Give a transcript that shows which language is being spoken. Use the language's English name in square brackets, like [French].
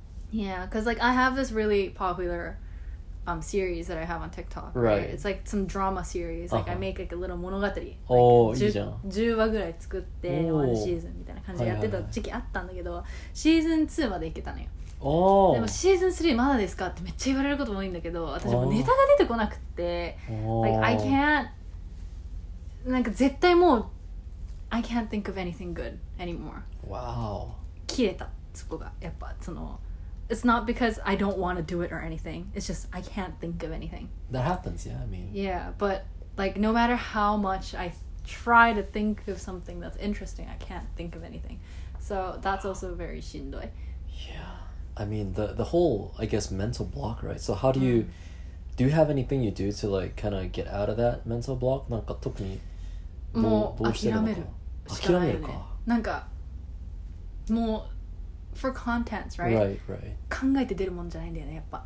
[English] Yeah, cause like I have this really popular series that I have on TikTok. Right. It's like some drama series. Like I make like a little 物語。おお、 [Japanese] いいじゃん。 10話ぐらい作って、ワンシーズンみたいな感じでやってた時期あったんだけど、シーズン2までいけたのよ。おお。でもシーズン3まだですかってめっちゃ言われることも多いんだけど、私もネタが出てこなくて、 [English] like I can't、 [Japanese] なんか絶対もう [English] I can't think of anything good anymore. Wow. [Japanese] 消えた、そこが。やっぱその、 [English] It's not because I don't want to do it or anything. It's just I can't think of anything. That happens, yeah, I mean. Yeah, but like no matter how much I try to think of something that's interesting, I can't think of anything. So that's also very shindoi. Yeah. I mean, the whole, I guess, mental block, right? So how do you, do you have anything you do to like kind of get out of that mental block? [Japanese] なんか特にもう諦めるしかないよね。なんかもう [English] for contents, right? Right, right. [Japanese] 考えて出るもんじゃないんだよね、やっぱ。